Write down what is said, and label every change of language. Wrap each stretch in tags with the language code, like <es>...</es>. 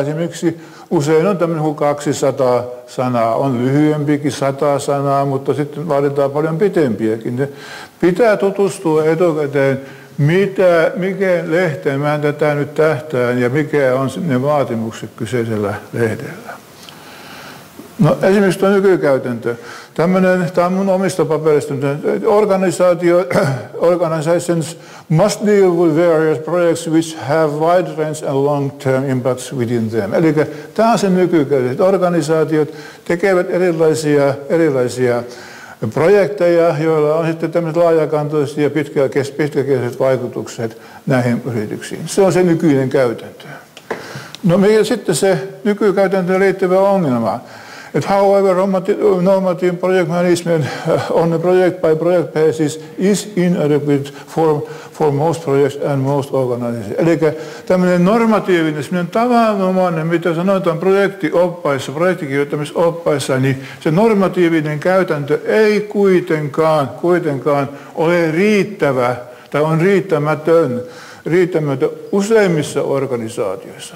<fi>Esimerkiksi usein on tämmöinen kuin 200 sanaa, on lyhyempikin 100 sanaa, mutta sitten vaaditaan paljon pitempiäkin. Ne pitää tutustua etukäteen, mikä lehteen tätä nyt tähtään ja mikä on ne vaatimukset kyseisellä lehdellä. No esimerkiksi tuo nykykäytäntö. Tämä on mun omista paperista.</fi> <en>Organizations must deal with various projects which have wide range and long-term impacts within them.</en> <fi>Eli tämä on se nykykäytäntö. Organisaatiot tekevät erilaisia projekteja, joilla on sitten tämmöiset laajakantoiset ja pitkäkestoiset vaikutukset näihin yrityksiin. Se on se nykyinen käytäntö. No mikä sitten se nykykäytäntöön liittyvä ongelma?</fi> <en>But however, normative project management on a project-by-project basis is inadequate for most projects and most organizations.</en> <fi>Eli tämmöinen normatiivinen, semmoinen tavanomainen, mitä sanotaan projektioppaissa, projektikirjoittamisoppaissa, niin se normatiivinen käytäntö ei kuitenkaan ole riittävä tai on riittämätön useimmissa organisaatioissa.</fi>